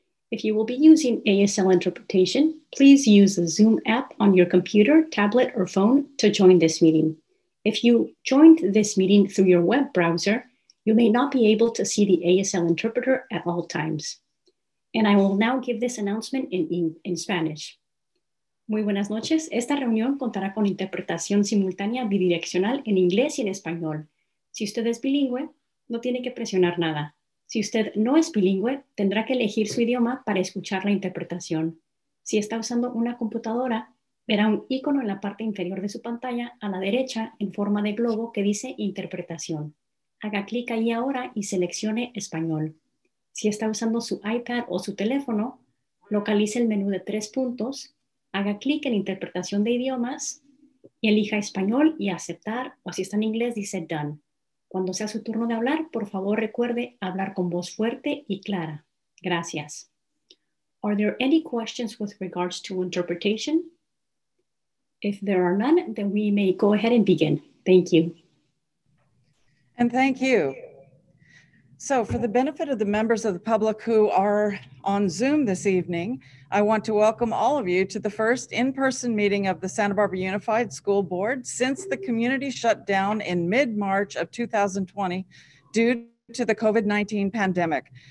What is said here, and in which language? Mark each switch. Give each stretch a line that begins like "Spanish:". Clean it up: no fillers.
English: If you will be using ASL interpretation, please use the Zoom app on your computer, tablet, or phone to join this meeting. If you joined this meeting through your web browser, you may not be able to see the ASL interpreter at all times. And I will now give this announcement in Spanish.
Spanish: Muy buenas noches. Esta reunión contará con interpretación simultánea bidireccional en inglés y en español. Si usted es bilingüe, no tiene que presionar nada. Si usted no es bilingüe, tendrá que elegir su idioma para escuchar la interpretación. Si está usando una computadora, verá un icono en la parte inferior de su pantalla a la derecha en forma de globo que dice Interpretación. Haga clic ahí ahora y seleccione Español. Si está usando su iPad o su teléfono, localice el menú de tres puntos, haga clic en Interpretación de idiomas y elija Español y Aceptar, o si está en inglés dice Done. Cuando sea su turno de hablar, por favor recuerde hablar con voz fuerte y clara. Gracias.
English: Are there any questions with regards to interpretation? If there are none, then we may go ahead and begin. Thank you. And thank you. So for the benefit of the members of the public who are on Zoom this evening, I want to welcome all of you to the first in-person meeting of the Santa Barbara Unified School Board since the community shut down in mid-March of 2020 due to the COVID-19 pandemic.